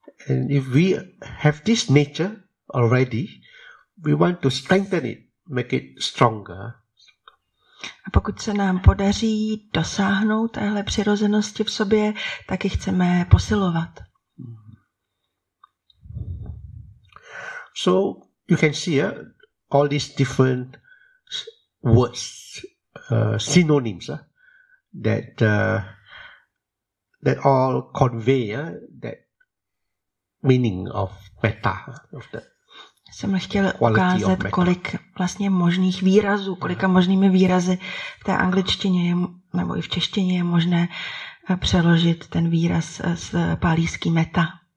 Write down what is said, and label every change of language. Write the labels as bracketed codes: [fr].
[en] And if we have this nature already, we want to strengthen it, make it stronger. [cs] A pokud se nám podaří dosáhnout téhle přirozenosti v sobě, tak ji chceme posilovat. [en] So you can see all these different words, synonyms that all convey that meaning of metta, of the [cs] jsem chtěl ukázat, kolik vlastně možných výrazů, kolika možnými výrazy v té angličtině je, nebo i v češtině je možné přeložit ten výraz z pálíský meta.